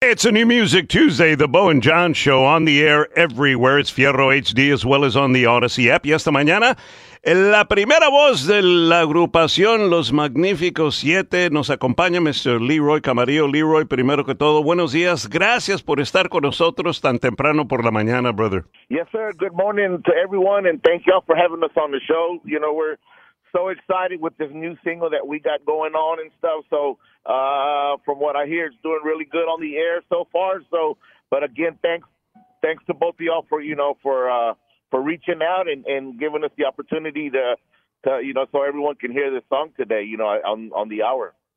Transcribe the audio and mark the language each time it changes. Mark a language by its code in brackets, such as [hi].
[en] it's a new music Tuesday, the Bo and John Show, on the air everywhere. It's Fierro HD as well as on the Odyssey app. [es] Y esta mañana, la primera voz de la agrupación, Los Magnifico Siete, nos acompaña Mr. Leeroy Camarillo. Leeroy, primero que todo, buenos días. Gracias por estar con nosotros tan temprano por la mañana, brother. [en] Yes, sir. Good morning to everyone, and thank y'all for having us on the show. You know, we're so excited with this new single that we got going on and stuff. So from what I hear, it's doing really good on the air so far. So, but again, thanks to both of y'all for, you know, for reaching out and giving us the opportunity to, you know, so everyone can hear this song today, you know, on the hour.